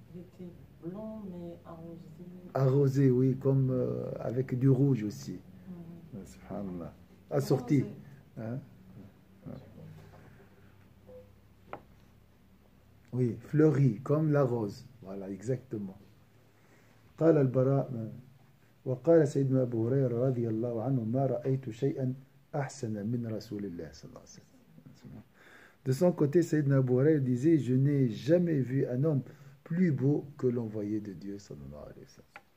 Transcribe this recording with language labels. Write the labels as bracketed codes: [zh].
[fr] Il était blanc, mais arrosé. Arrosé, oui, comme avec du rouge aussi. Subhanallah. Assorti. Oui, fleuri, comme la rose. Voilà, exactement. [ar] قال البراء وقال سيدنا أبو هريرة رضي الله عنه ما رأيت شيئا أحسن من رسول الله صلى الله عليه وسلم. [fr] De son côté, سيدنا أبو هريرة disait, je n'ai jamais vu un homme plus beau que l'envoyé de Dieu, sallallahu alayhi wa sallam.